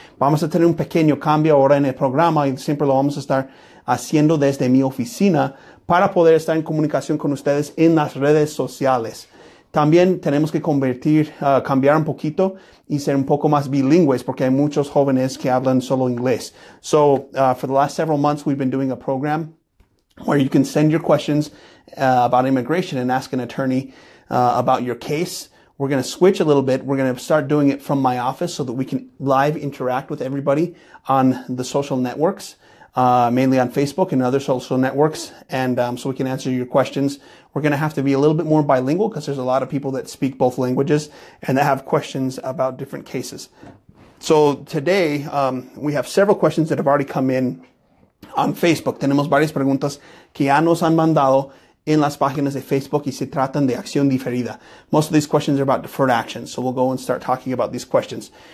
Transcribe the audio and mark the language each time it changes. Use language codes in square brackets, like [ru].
[es] Vamos a tener un pequeño cambio ahora en el programa y siempre lo vamos a estar haciendo desde mi oficina para poder estar en comunicación con ustedes en las redes sociales. También tenemos que cambiar un poquito y ser un poco más bilingües porque hay muchos jóvenes que hablan solo inglés. [en] So, for the last several months, we've been doing a program where you can send your questions about immigration and ask an attorney about your case. We're going to switch a little bit. We're going to start doing it from my office so that we can live interact with everybody on the social networks. Mainly on Facebook and other social networks, and so we can answer your questions. We're going to have to be a little bit more bilingual because there's a lot of people that speak both languages and that have questions about different cases. So today, we have several questions that have already come in on Facebook. [es] Tenemos varias preguntas que ya nos han mandado en las páginas de Facebook y se tratan de acción diferida. [en] Most of these questions are about deferred action, so we'll go and start talking about these questions.